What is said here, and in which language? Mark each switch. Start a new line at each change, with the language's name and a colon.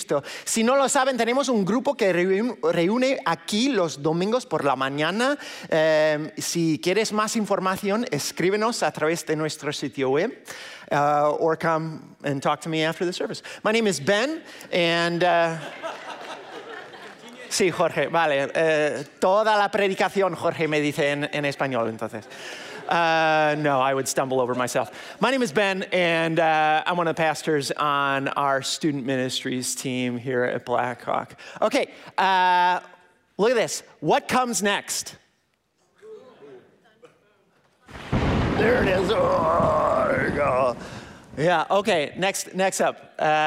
Spanish: Si no lo saben, tenemos un grupo que reúne aquí los domingos por la mañana. Si quieres más información, escríbenos a través de nuestro sitio web.
English: Or come and talk to me after the service. My name is Ben, and...
Spanish: sí, Jorge, vale. Toda la predicación, Jorge, me dice en español, entonces.
English: No, I would stumble over myself. My name is Ben, and I'm one of the pastors on our student ministries team here at Blackhawk. Okay, look at this. What comes next? There it is. Yeah, okay, next up.